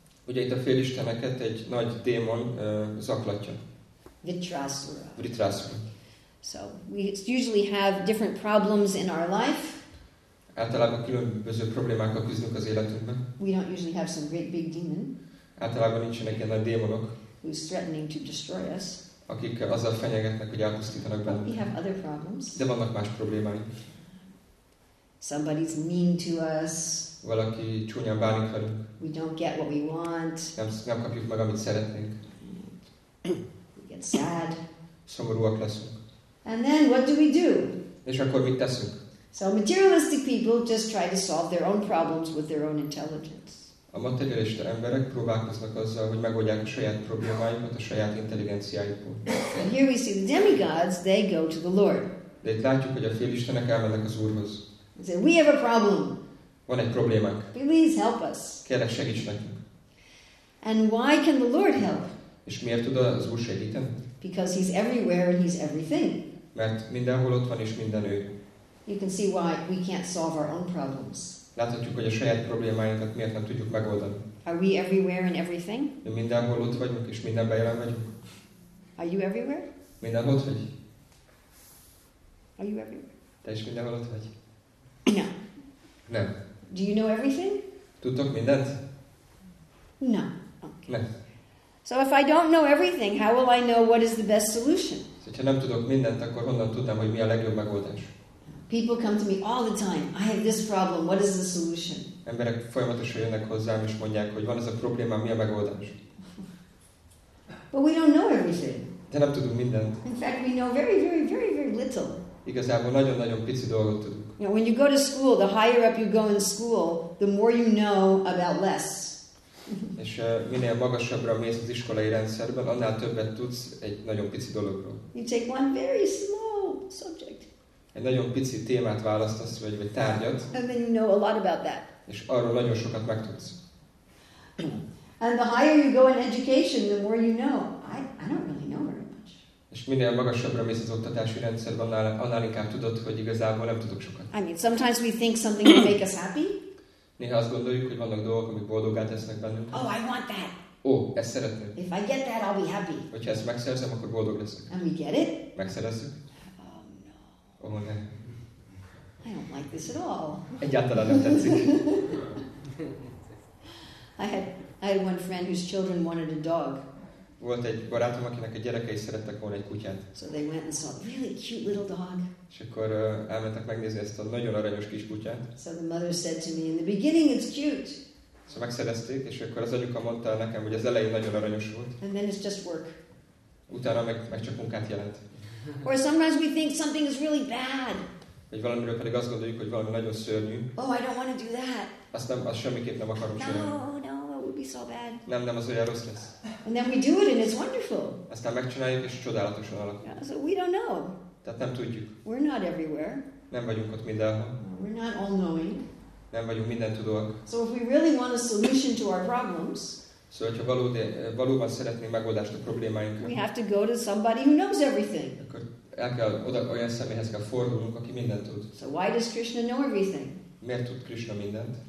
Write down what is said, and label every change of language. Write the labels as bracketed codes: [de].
[hu] Ugye itt a félisteneket egy nagy démon zaklatja. Vritrasura. [en] So we usually have different problems in our life. [hu] Általában különböző problémákkal küzdünk az életünkben. [en] We don't usually have some great big demon. [hu] Általában nincsenek ilyen nagy démonok. [en] Who's threatening to destroy us? [hu] Akik azzal fenyegetnek, hogy elpusztítanak bennünket. [en] We have other problems. [hu] De vannak más problémáink. [en] Somebody's mean to us. [hu] Valaki csúnyán bánik velünk. [en] We don't get what we want. [hu] Nem kapjuk meg, amit szeretnénk. [en] Sad. [hu] Szomorúak leszünk. [en] And then what do we do? [hu] És akkor mit teszünk? [en] So materialistic people just try to solve their own problems with their own intelligence. [hu] A materialista emberek próbálkoznak azzal, hogy megoldják a saját problémáikat a saját intelligenciájukból. [en] And here we see the demigods, they go to the Lord. [hu] De itt látjuk, hogy a félistenek elmennek az Úrhoz. [en] And say, we have a problem. [hu] Van egy problémánk. [en] Please help us. [hu] Kérlek, segíts nekünk. [en] And why can the Lord help? [hu] És miért tud az Úr segíteni? [en] Because he's everywhere and he's everything. [hu] Mert mindenhol ott van és mindenő. [en] You can see why we can't solve our own problems. [hu] Láthatjuk, hogy a saját problémáinkat miért nem tudjuk megoldani. [en] Are we everywhere and everything? [hu] De mindenhol ott vagyunk és mindenben jelen vagyunk. [en] Are you everywhere? [hu] Mindenhol ott vagy. [en] Are you everywhere? [hu] Te is mindenhol ott vagy. [en] No. [hu] Nem. [en] Do you know everything? [hu] Tudtok mindent? [en] No. Okay. [hu] Nem. [en] So if I don't know everything, how will I know what is the best solution? [hu] Ha nem tudok mindent, akkor honnan tudnám, hogy mi a legjobb megoldás? [en] People come to me all the time. I have this problem. What is the solution? [hu] Emberek folyamatosan jönnek hozzám és mondják, hogy van ez a probléma, mi a megoldás? [en] But we don't know everything. [hu] De nem tudunk mindent. [en] In fact, we know very, very, very, very little. [hu] Igazából nagyon-nagyon pici dolgot tudunk. [en] You know, when you go to school, the higher up you go in school, the more you know about less. [hu] És minél magasabbra mész az iskolai rendszerben, annál többet tudsz egy nagyon pici dologról. [en] You take one very small subject. [hu] Egy nagyon pici témát választasz, vagy tárgyat. [en] And then you know a lot about that. [hu] És arról nagyon sokat megtudsz. [en] And the higher you go in education, the more you know. I don't really know very much. [hu] És minél magasabbra mész az oktatási rendszerben, annál inkább tudod, hogy igazából nem tudok sokat. [en] I mean, sometimes we think something will make us happy. [hu] Néha azt gondoljuk, hogy vannak dolgok, amik boldoggá tesznek bennünk. [en] Oh, I want that. [hu] Ó, ezt szeretném. [en] If I get that, I'll be happy. [hu] Hogyha ezt megszerzem, akkor boldog leszek. [en] And we get it. [hu] Megszerezzük. [en] Oh, no. [hu] Oh, ne. [en] I don't like this at all. [hu] Egyáltalán nem tetszik. [en] I had one friend whose children wanted a dog. [hu] Volt egy barátom, akinek a gyerekei szerettek volna egy kutyát. [en] So they went and saw a really cute little dog. [hu] És akkor elmentek megnézni ezt a nagyon aranyos kis kutyát. [en] So the mother said to me, in the beginning it's cute. [hu] Szóval megszerezték, és akkor az anyuka mondta nekem, hogy az elején nagyon aranyos volt. [en] And then it's just work. [hu] Utána meg csak munkát jelent. [en] Or sometimes we think something is really bad. [hu] Vagy valamiről pedig azt gondoljuk, hogy valami nagyon szörnyű. [en] Oh, I don't want to do that. [hu] Azt semmiképp nem akarom csinálni. [en] No, it would be so bad. [hu] Nem, az olyan rossz lesz. [en] And then we do it and it's wonderful. [hu] Aztán megcsináljuk, és csodálatosan alakul. [en] Yeah, so we don't know. [hu] Tehát nem tudjuk. [en] We're not everywhere. [hu] Nem vagyunk ott mindenhol. [en] We're not all knowing. [hu] Nem vagyunk mindentudóak. [en] So if we really want a solution to our problems, [hu] szóval, hogyha valóban szeretnénk megoldást a problémáinkra, [en] we have to go to somebody who knows everything. [hu] Akkor el kell oda, olyan személyhez kell fordulnunk, aki mindent tud. [en] So why does Krishna know everything? [hu] Miért tud Krishna mindent?